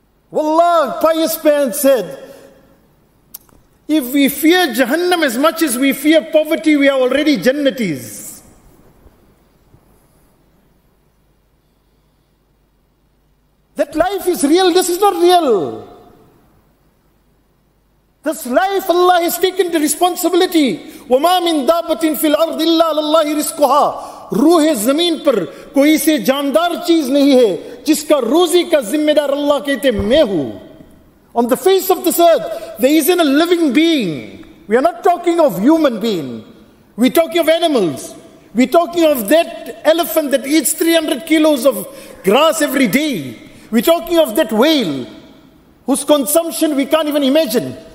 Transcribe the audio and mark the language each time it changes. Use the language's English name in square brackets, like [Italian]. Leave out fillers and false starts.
[English] Wallah, pious parents said, if we fear Jahannam as much as we fear poverty, we are already Jannatis. That life is real. This is not real. This life, Allah has taken the responsibility. [Arabic] وَمَا مِن دَابَةٍ فِي الْأَرْضِ إِلَّا لَلَّهِ رِزْقُهَا. [Urdu] روح زمین پر کوئی سے جاندار چیز نہیں ہے جس کا روزی کا ذمہ دار اللہ کہتے میں ہوں. [English] On the face of this earth, there isn't a living being. We are not talking of human being. We're talking of animals. We're talking of that elephant that eats 300 kilos of grass every day. We're talking of that whale whose consumption we can't even imagine.